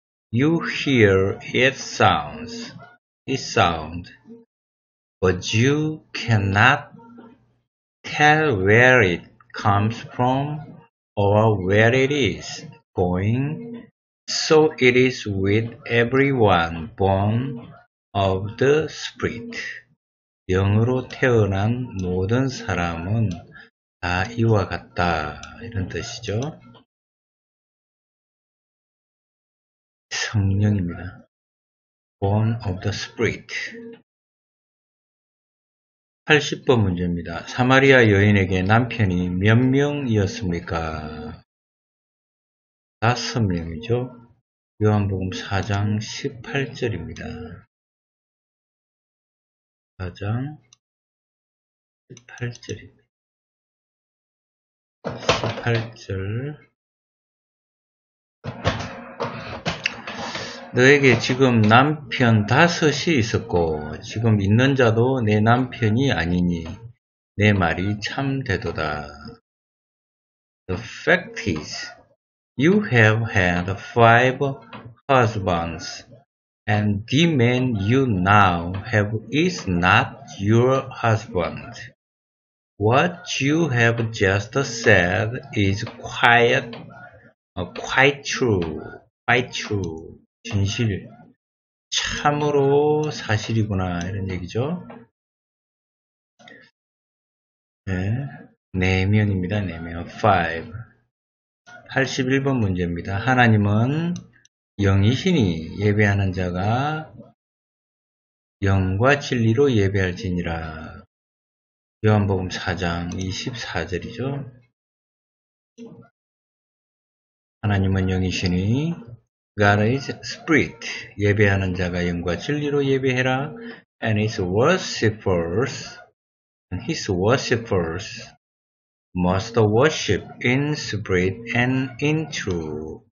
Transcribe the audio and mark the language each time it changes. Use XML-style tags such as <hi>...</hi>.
<en>You hear its sounds, its sound, but you cannot tell where it comes from or where it is going. So it is with everyone born of the Spirit.</en> <ko>영으로 태어난 모든 사람은 다 이와 같다. 이런 뜻이죠. 성령입니다.</ko> <en>Born of the Spirit.</en> <ko>80번 문제입니다. 사마리아 여인에게 남편이 몇 명이었습니까? 5명이죠. 요한복음 4장 18절입니다. 4장 18절입니다. 18절. 너에게 지금 남편 다섯이 있었고 지금 있는 자도 내 남편이 아니니 내 말이 참되도다.</ko> <en>The fact is you have had five husbands, and the man you now have is not your husband. What you have just said is quite true.</en> <ko>진실. 참으로 사실이구나. 이런 얘기죠. 네 명입니다. 네 명. Five. 81번 문제입니다. 하나님은 영이시니 예배하는 자가 영과 진리로 예배할지니라. 요한복음 4장 24절이죠. 하나님은 영이시니</ko> <en>God is spirit.</en> <ko>예배하는 자가 영과 진리로 예배해라.</ko> <en>And his worshippers, must worship in spirit and in truth.</en>